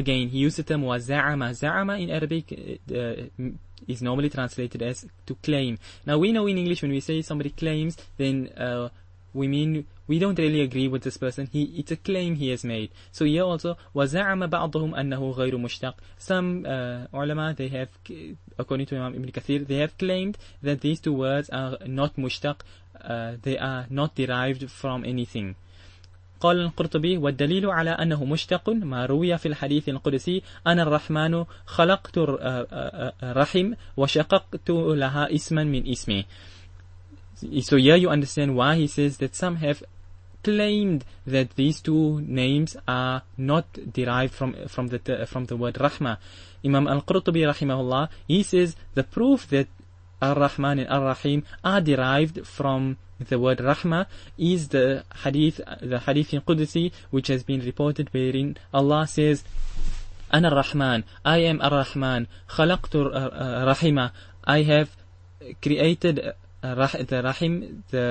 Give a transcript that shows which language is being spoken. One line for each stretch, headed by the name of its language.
English: He used the term وَزَعَمَ. زَعَمَ in Arabic is normally translated as to claim. Now we know in English when we say somebody claims, then we mean we don't really agree with this person. It's a claim he has made. So here also,
Arabic: وَزَعَمَ بَعْضُهُمْ أَنَّهُ غَيْرُ مُشْتَقٍ.
English: Some ulama, they have, according to Imam Ibn Kathir, they have claimed that these two words are not mushtaq. They are not derived from anything.
Arabic: قال القرطبي والدليل على أنه مشتق ما روي في الحديث القدسي أنا الرحمن خلقت رحم وشققت لها اسما من اسمي.
English: So here you understand why he says that some have claimed that these two names are not derived from the word Rahma. Imam Al-Qurtubi rahimahullah, he says the proof that Ar-Rahman and Ar-Rahim are derived from the word Rahma is the hadith in Qudsi, which has been reported wherein Allah says, Ana Ar-Rahman, I am Ar-Rahman, khalaqtu rahima, I have created the Rahim,